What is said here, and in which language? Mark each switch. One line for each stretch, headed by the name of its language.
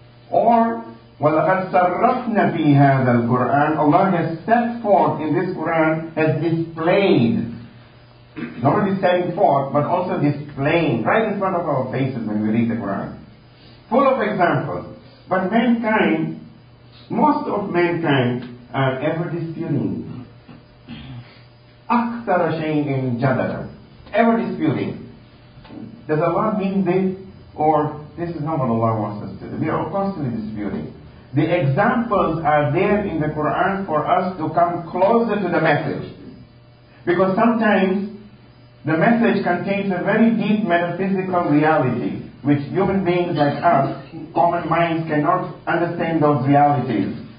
English: Or,
Arabic: وَلَقَدْ صَرَّفْنَا فِي هَذَا الْقُرْآنِ
English: Allah has set forth in this Quran, has displayed, not only setting forth, but also displaying, right in front of our faces when we read the Quran. Full of examples. But mankind, most of mankind, are ever disputing.
Arabic: أَكْثَرَ شَيْءٍ in جَدَلًا.
English: Ever disputing. Does Allah mean this? Or this is not what Allah wants us to do. We are constantly disputing. The examples are there in the Quran for us to come closer to the message. Because sometimes the message contains a very deep metaphysical reality which human beings like us, common minds, cannot understand those realities.